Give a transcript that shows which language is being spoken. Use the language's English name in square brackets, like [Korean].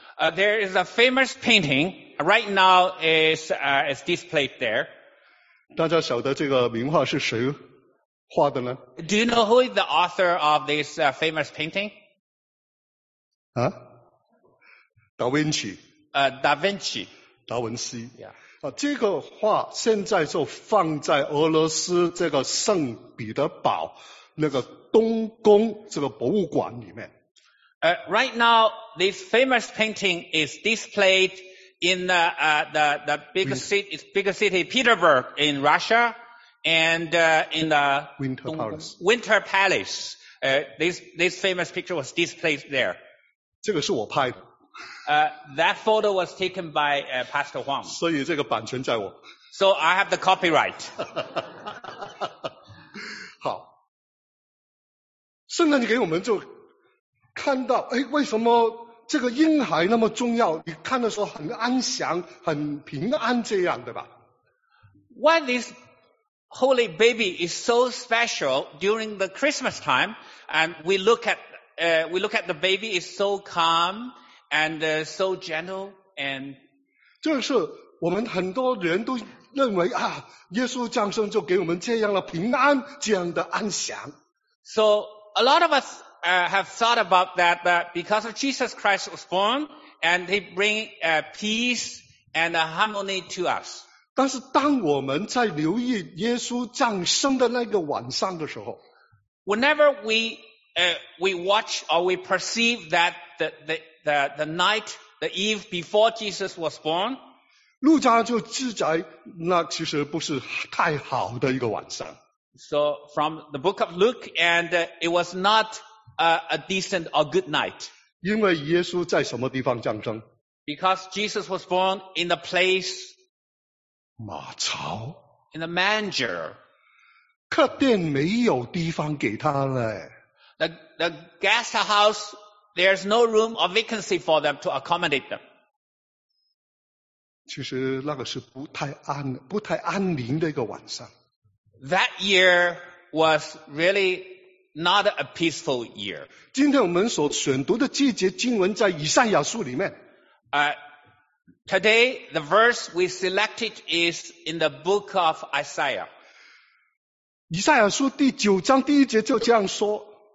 [English] There is a famous painting, right now is displayed there. [Chinese] 大家晓得这个名画是谁画的呢？ [English] Do you know who is the author of this famous painting? [Chinese] 达芬奇。达芬奇。达文西。 [English] Yeah. [Chinese] 这个画现在就放在俄罗斯这个圣彼得堡那个东宫这个博物馆里面。 [English] Right now, this famous painting is displayed in the big city, Peterburg in Russia, and in the Winter Palace. This famous picture was displayed there. [Chinese] 这个是我拍的。 [English] That photo was taken by Pastor Huang. [Chinese] 所以这个版权在我。 [English] So I have the copyright. [Chinese] 好，圣灵给我们就看到，哎，为什么这个婴孩那么重要？你看的时候很安详、很平安，这样对吧 [English] ？Why this holy baby is so special during the Christmas time? And we look at the baby is so calm. And so gentle, and [Chinese] 这是我们很多人都认为啊，耶稣降生就给我们这样的平安，这样的安详。 [English] So a lot of us have thought about that because of Jesus Christ was born, and he bring peace and harmony to us. [Chinese] 但是当我们在留意耶稣降生的那个晚上的时候 [English] ，whenever we watch or we perceive that the night, the eve before Jesus was born. [Chinese] 路加就记载，那其实不是太好的一个晚上。 [English] So from the book of Luke, and it was not a decent or good night. [Chinese] 因为耶稣在什么地方降生 [English] ？Because Jesus was born in the place. [Chinese] 马槽。 [English] In the manger. [Chinese] 客店没有地方给他嘞。 [English] The guest house. There's no room or vacancy for them to accommodate them. [Chinese] 其实那个是不太安宁的一个晚上。 [English] That year was really not a peaceful year. [Chinese] 今天我们所选读的季节经文在以赛亚书里面。 [English] Today the verse we selected is in the book of Isaiah. [Chinese] 以赛亚书第九章第一节就这样说。